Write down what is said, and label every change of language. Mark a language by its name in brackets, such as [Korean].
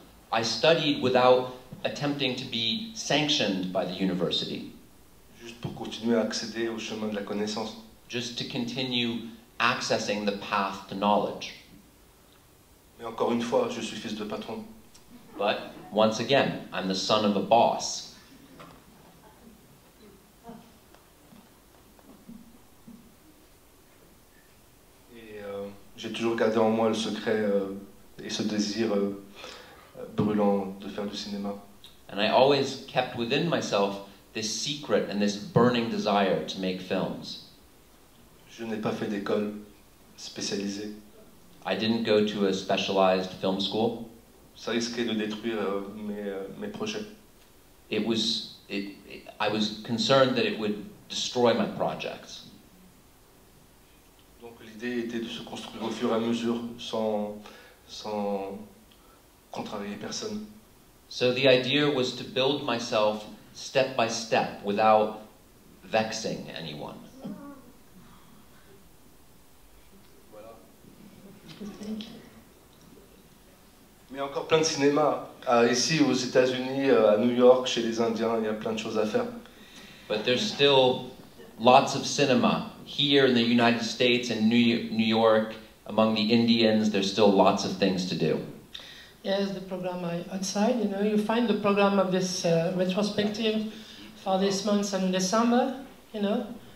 [English] I studied without attempting to be sanctioned by the university. [French] Juste pour continuer à accéder au chemin de la connaissance. [English] Just to continue accessing the path to knowledge. [French] Mais encore une fois, je suis fils de patron. [English] But once again, I'm the son of a boss. [French] J'ai toujours gardé en moi le secret et ce désir brûlant de faire du cinéma. [English] And I always kept within myself this secret and this burning desire to make films. [French] Je n'ai pas fait d'école spécialisée. [English] I didn't go to a specialized film school. [French] Ça risquait de détruire mes projets. [English] I was concerned that it would destroy my projects. [French] L'idée était de se construire au fur et à mesure, sans contrarier personne. [English] So the idea was to build myself step by step without vexing anyone. [French] Voilà. Mais encore plein de cinéma. Ici aux États-Unis, à New York, chez les Indiens, il y a plein de choses à faire. [English] But there's still lots of cinema. Here in the United States and New York, among the Indians, there's still lots of things to do. Yes, the program outside, you know, you find the program of this retrospective for this month in December, you know.